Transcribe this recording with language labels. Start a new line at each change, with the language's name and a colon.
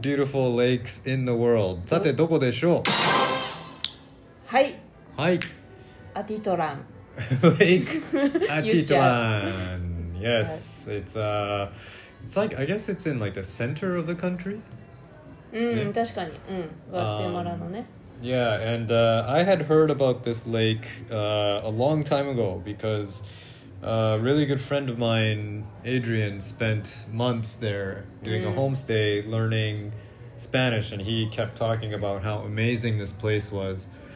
English: beautiful lakes in the world.
Japanese: さてどこでしょう。はいはい、アティトラン
English: Lake Atitlan. Yes, it's it's like, I guess it's in like the center of the country. Yeah.
Japanese: 確かに、うん、グアテマラのね。
English: Yeah, and I had heard about this lake a long time ago becauseA really good friend of mine, Adrian, spent months there doing、mm. a homestay, learning Spanish, and he kept talking about how amazing this place was.